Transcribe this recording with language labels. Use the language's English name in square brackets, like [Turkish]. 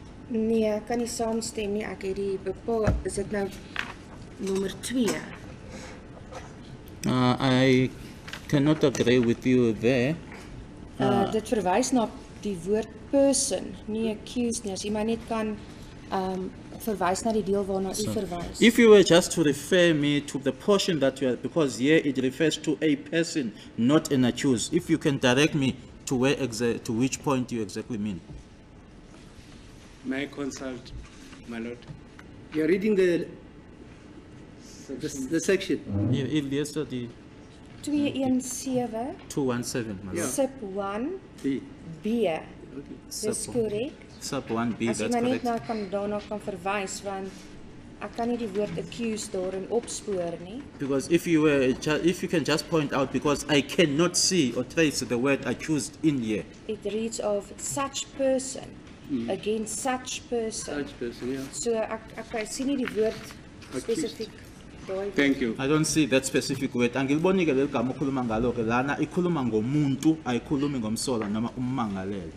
[Afrikaans] Nee, ek kan nie saamstem nie. Ek het die bepaal, is dit nou nommer 2? [English] I cannot agree with you there. [Afrikaans] Dit verwys na die woord person, nie accused nie. As jy maar net kan verwys na die deel waarna u verwys. [English] If you were just to refer me to the portion that you are, because here it refers to a person, not an accused. If you can direct me to where to which point you exactly mean. May I consult, my lord? You are reading the section. Yeah, yes, sir. 217. 217, my lord. Sub 1. B. Okay. Is correct. Sub 1B, that's [Afrikaans] As jy maar net nou daarna kan verwys, want ek kan nie die woord accused daarin opspoor nie. [English] Because if you were, if you can just point out, because I cannot see or trace the word accused in here. It reads of such person, against such person. Such person, yeah. [Afrikaans] So ek sien nie die woord spesifiek. [English] Thank you. I don't see that specific word. [Zulu] Angilibonike leligama okhuluma ngalo ke lana ikhuluma ngomuntu ayikhulumi ngomsolwa noma ummangalelo.